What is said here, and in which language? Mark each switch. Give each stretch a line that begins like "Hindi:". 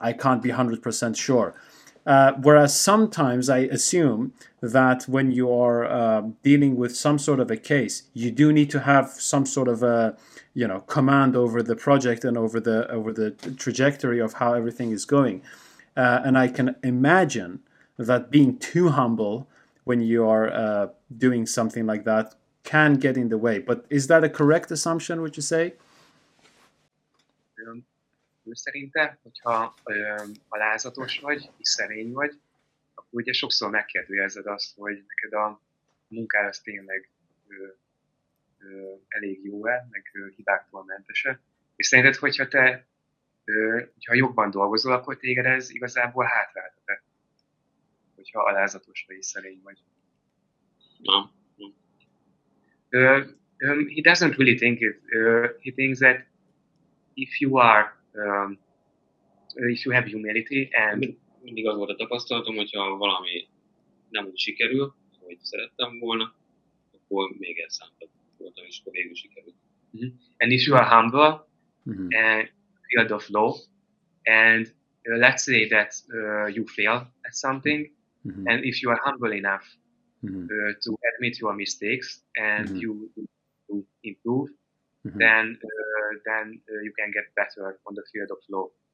English: I can't be 100% sure. Whereas sometimes I assume that when you are dealing with some sort of a case, you do need to have some sort of a, you know, command over the project and over the trajectory of how everything is going. And I can imagine that being too humble when you are doing something like that can get in the way. But is that a correct assumption, would you say?
Hungarian: Szerintem, hogyha alázatos vagy és szerény vagy, akkor ugye sokszor megkérdőjelezed azt, hogy neked a munkád az tényleg elég jó-e, meg hibáktól mentese. És szerinted, hogyha te hogyha jobban dolgozol, akkor téged ez igazából hátráltat-e, hogyha alázatos vagy és szerény vagy.
English: He doesn't really think it. He thinks that if you are if you have humility and
Hungarian: mindig az volt a tapasztalatom, hogyha valami nem úgy sikerül, ahogy szerettem volna, akkor még elszántabb voltam, és akkor végül sikerült.
English: Mm-hmm. And if you are humble mm-hmm. and field of law, and let's say that you fail at something, mm-hmm. and if you are humble enough mm-hmm. To admit your mistakes and mm-hmm. you to improve, mm-hmm. then you can get better on the field of law.